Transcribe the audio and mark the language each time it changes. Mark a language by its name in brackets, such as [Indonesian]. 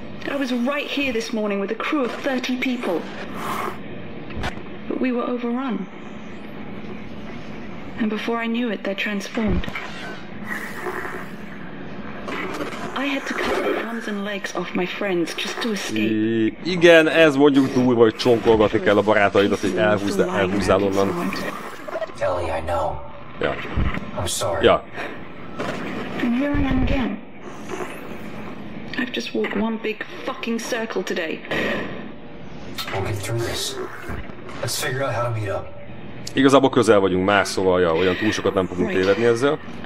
[English] I was right here this morning with a crew of 30 people. But we were overrun. And before I knew it, they transformed. I had to cut the arms and legs off my friends just to escape. [Hungarian] Igen, ez mondjuk durva, hogy csonkolgatni kell a barátaidat, hogy elhúzzál onnan. [English] Ellie, I know. Yeah. I'm sorry. Yeah. And here I am again. I've just walked one big fucking circle today. We'll get through this. Let's figure out how to meet up. [Hungarian] Igazából közel vagyunk már, szóval ja, olyan túl sokat nem fogunk tévedni ezzel.